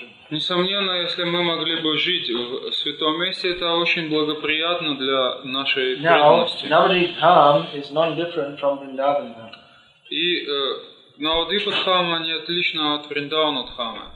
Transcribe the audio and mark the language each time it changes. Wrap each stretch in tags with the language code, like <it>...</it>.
<ru>Несомненно, если мы могли бы жить в святом месте, это очень благоприятно для нашей преданности.</ru> <en>Navadvipadham is non-different from Vrindavan Dham.</en> <ru>И Navadvipadhama не отлично от Vrindavana Dhamma.</ru>